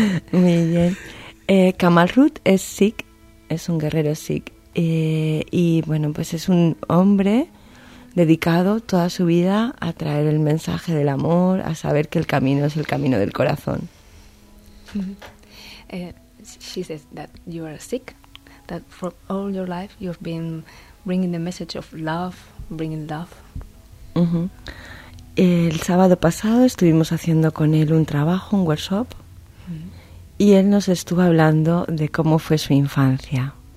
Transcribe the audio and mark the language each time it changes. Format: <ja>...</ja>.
<es>Muy bien. Kamal Ruth es Sikh. Es un guerrero Sikh y bueno, pues es un hombre dedicado toda su vida a traer el mensaje del amor, a saber que el camino es el camino del corazón. Uh-huh.</es> <en>she says that you are sick, that for all your life you've been bringing the message of love, bringing love. Uh-huh.</en> <es>El sábado pasado estuvimos haciendo con él un trabajo, un workshop, y él nos estuvo hablando de cómo fue su infancia.</es>